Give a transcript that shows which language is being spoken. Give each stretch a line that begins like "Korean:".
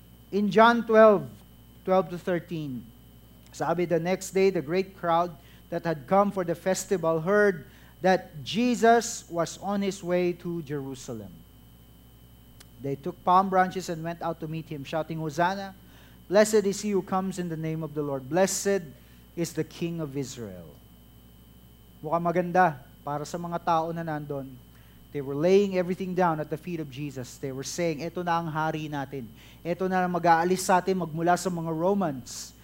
English: In John 12:12-13, sabi, the next day, the great crowd that had come for the festival heard that Jesus was on his way to Jerusalem. They took palm branches and went out to meet him, shouting, Hosanna, blessed is he who comes in the name of the Lord. Blessed is the King of Israel.
Filipino: Mukhang maganda para sa mga tao na nandun.
English: They were laying everything down at the feet of Jesus. They were saying,
Filipino: ito na ang hari natin. Ito na ang mag-aalis sa atin magmula sa mga Romans.